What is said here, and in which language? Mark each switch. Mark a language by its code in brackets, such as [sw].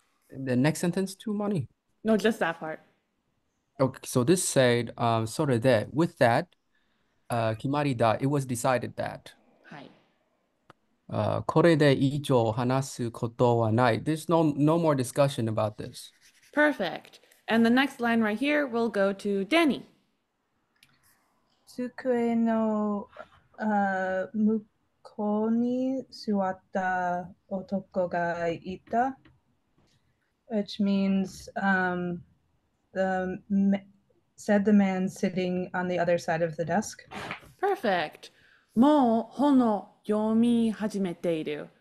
[en] The next sentence, too many. No, just that part. Okay, so this said, [ja] それで、 [en] with that, [ja] 決まりだ。 [en] It was decided that. [ja] これで以上話すことはない。 [en] There's no more discussion about this. Perfect. And the next line right here will go to Danny. [ja] 机の向こうに座った男がいた。 [en] Which means, said the man sitting on the other side of the desk. Perfect. [ja] もう本を読み始めている。